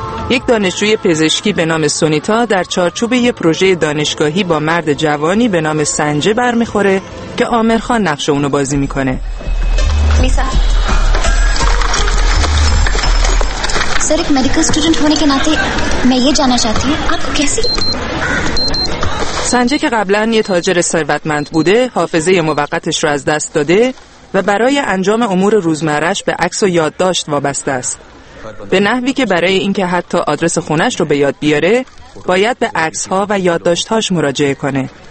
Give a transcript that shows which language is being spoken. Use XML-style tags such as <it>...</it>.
<fa>یا یک دانشجوی پزشکی به نام سونیتا در چارچوب یک پروژه دانشگاهی با مرد جوانی به نام سنجه برمیخوره که عامر خان نقش اونو بازی میکنه.</fa> <ur>لیسا، سر ایک مدیکل سٹوڈنٹ ہونے کے ناتے میں یہ جانا چاہتی ہوں آپ کو کیسی؟</ur> <fa>سنجه که قبلا یه تاجر ثروتمند بوده، حافظه موقتش رو از دست داده و برای انجام امور روزمره‌اش به عکس و یادداشت وابسته است. به نحوی که برای اینکه حتی آدرس خونش رو به یاد بیاره، باید به عکس‌ها و یادداشت‌هاش مراجعه کنه.</fa>